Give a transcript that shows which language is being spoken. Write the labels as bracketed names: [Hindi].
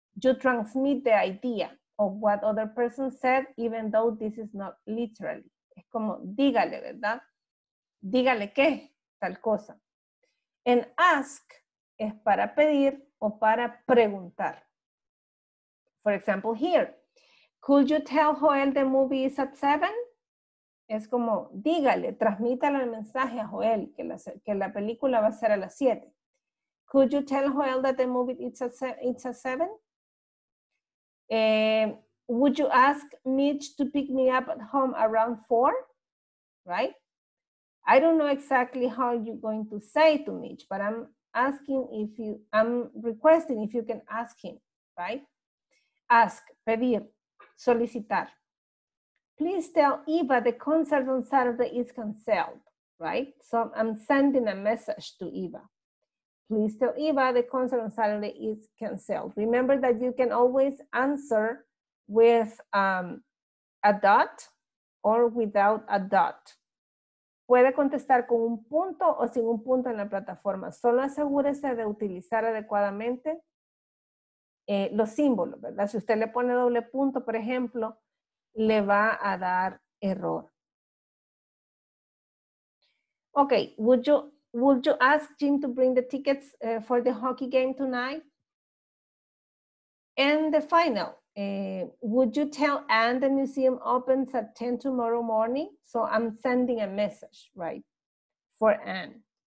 [English] You transmit the idea of what other person said, even though this is not literally. [Spanish] Es como, dígale, ¿verdad? dígale qué, tal cosa. [English] And ask [Spanish] es para pedir o para preguntar. [English] For example, here. Could you tell Joel the movie is at 7? [Spanish] Es como, dígale, transmítale el mensaje a Joel que la película va a ser a las 7. [English] Could you tell Joel that the movie it's at 7? Would you ask Mitch to pick me up at home around 4? Right? I don't know exactly how you're going to say to Mitch, but I'm requesting if you can ask him, right? Ask, [Spanish] pedir, solicitar. [English] Please tell Eva the concert on Saturday is canceled, right? So I'm sending a message to Eva. Please tell Eva the concert on Saturday is canceled. Remember that you can always answer with a dot or without a dot. [Spanish] Puede contestar con un punto o sin un punto en la plataforma. Solo asegúrese de utilizar adecuadamente los símbolos, ¿verdad? Si usted le pone doble punto, por ejemplo, le va a dar error. [English] Ok, would you ask Jim to bring the tickets for the hockey game tonight? And the final, would you tell Anne the museum opens at 10 tomorrow morning? So I'm sending a message, right, for Anne.